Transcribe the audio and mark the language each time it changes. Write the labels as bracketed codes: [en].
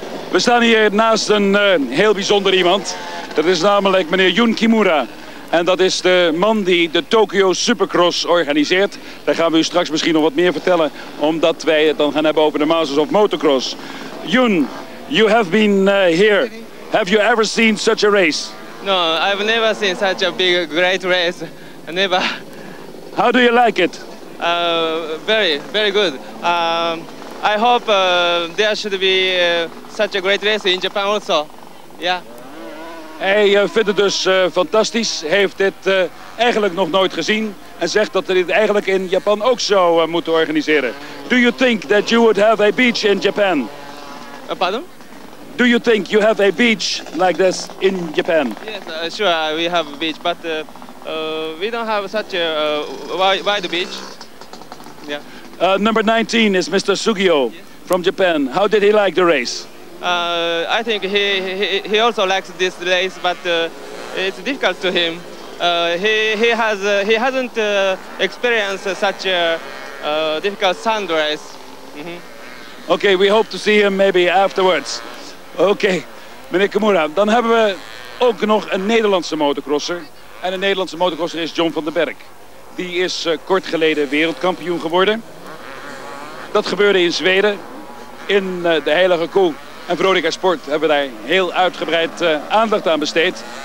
[nl] We staan hier naast een heel bijzonder iemand. Dat is namelijk meneer Jun Kimura. En dat is de man die de Tokyo Supercross organiseert. Daar gaan we u straks misschien nog wat meer vertellen, omdat wij het dan gaan hebben over de Masters of Motocross. [en] Jun, you have been here. Have you ever seen such a race? No, I've never seen such a big, great race. Never. How do you like it? Very, very good. I hope there should be such a great race in Japan also. Yeah. [nl] Hij vindt het dus fantastisch, heeft dit eigenlijk nog nooit gezien en zegt dat hij dit eigenlijk in Japan ook zou moeten organiseren. [en] Do you think that you would have a beach in Japan? Pardon? Do you think you have a beach like this in Japan? Yes, sure, we have a beach, but we don't have such a wide beach. Yeah. Number 19 is Mr. Sugio. Yes. From Japan. How did he like the race? I think he also likes this race, but it's difficult to him. He hasn't experienced such a difficult sand race. Mm-hmm. Okay, we hope to see him maybe afterwards. [nl] Okay, meneer Kimura, dan hebben we ook nog een Nederlandse motocrosser. En een Nederlandse motocrosser is John van den Berg. Die is kort geleden wereldkampioen geworden. Dat gebeurde in Zweden, in de Heilige Koe. En Veronica Sport hebben daar heel uitgebreid aandacht aan besteed.